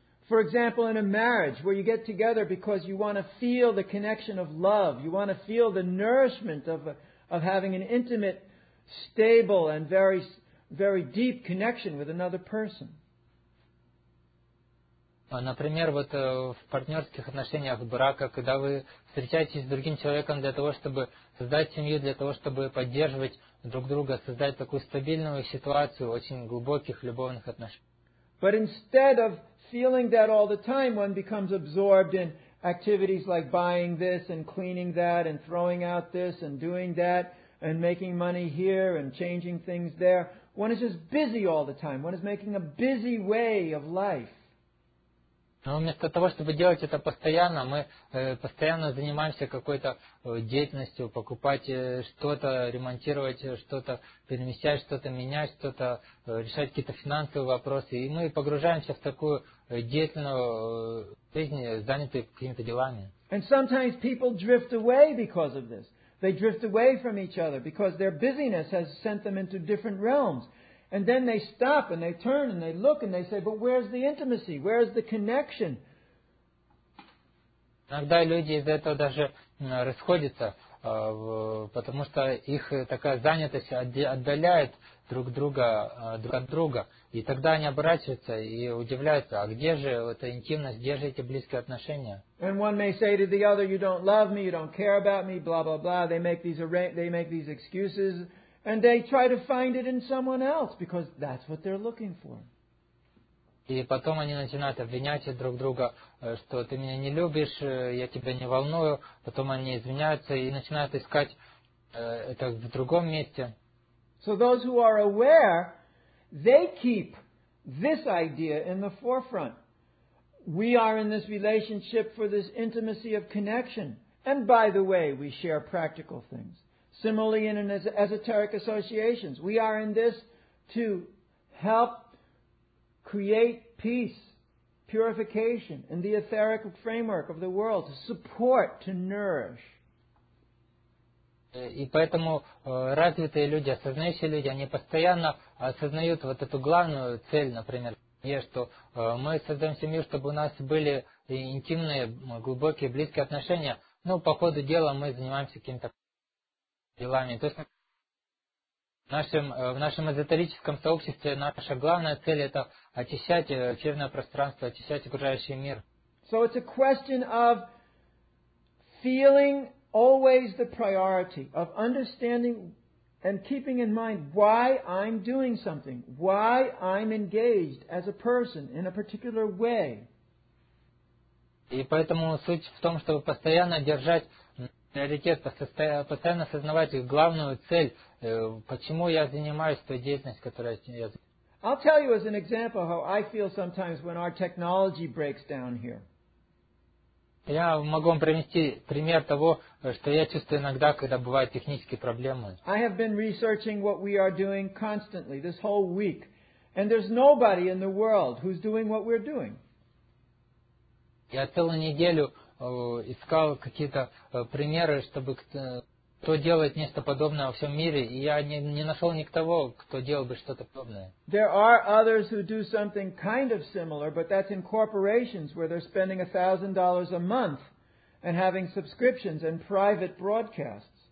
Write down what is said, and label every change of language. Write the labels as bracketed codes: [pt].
[en] For example, in a marriage where you get together because you want to feel the connection of love, you want to feel the nourishment of having an intimate, stable and very, very deep connection with another person. [ru] Например, вот в партнерских отношениях, в браках, когда вы встречаетесь с другим человеком для того, чтобы создать семью, для того, чтобы поддерживать друг друга, создать такую стабильную ситуацию очень глубоких любовных отношений. [en] But instead of feeling that all the time, one becomes absorbed in activities like buying this and cleaning that and throwing out this and doing that and making money here and changing things there. One is just busy all the time. One is making a busy way of life. [ru] Но вместо того, чтобы делать это постоянно, мы постоянно занимаемся какой-то деятельностью, покупать что-то, ремонтировать что-то, перемещать что-то, менять что-то, решать какие-то финансовые вопросы. И мы погружаемся в такую деятельную жизнь, занятую какими-то делами. [en] And sometimes people drift away because of this. They drift away from each other because their busyness has sent them into different realms. And then they stop and they turn and they look and they say, but where's the intimacy? Where's the connection? [ru] Иногда люди из-за этого даже расходятся, потому что их такая занятость отдаляет друг друга, друг от друга. И тогда они оборачиваются и удивляются, а где же эта интимность, где же эти близкие отношения? [en] And one may say to the other, you don't love me, you don't care about me, blah, blah, blah. They make these excuses. And they try to find it in someone else because that's what they're looking for. [ru] И потом они начинают обвинять друг друга, что ты меня не любишь, я тебя не волную. Потом они извиняются и начинают искать это в другом месте. [en] So those who are aware, they keep this idea in the forefront. We are in this relationship for this intimacy of connection. And by the way, we share practical things. Similarly, in an esoteric associations, we are in this to help create peace, purification in the etheric framework of the world, to support, to nourish. [ru] И поэтому развитые люди, осознающие люди, они постоянно осознают вот эту главную цель, например, что мы создаем семью, чтобы у нас были интимные, глубокие, близкие отношения. Ну, по ходу дела мы занимаемся каким-то делами. То есть в нашем эзотерическом сообществе наша главная цель – это очищать эфирное пространство, очищать окружающий мир. [en] So it's a question of feeling always the priority, of understanding and keeping in mind why I'm doing something, why I'm engaged as a person in a particular way. [ru] И поэтому суть в том, чтобы постоянно держать приоритет, постоянно осознавать главную цель, почему я занимаюсь той деятельностью, которую я занимаюсь. [en] I'll tell you as an example how I feel sometimes when our technology breaks down here. [ru] Я могу вам привести пример того, что я чувствую иногда, когда бывают технические проблемы. [en] I have been researching what we are doing constantly, this whole week. And there's nobody in the world who's doing what we're doing. [ru] Я целую неделю искал какие-то примеры, чтобы кто делает нечто подобное во всем мире, и я не нашел никого, кто делал бы что-то подобное. [en] There are others who do something kind of similar, but that's in corporations where they're spending $1,000 a month and having subscriptions and private broadcasts.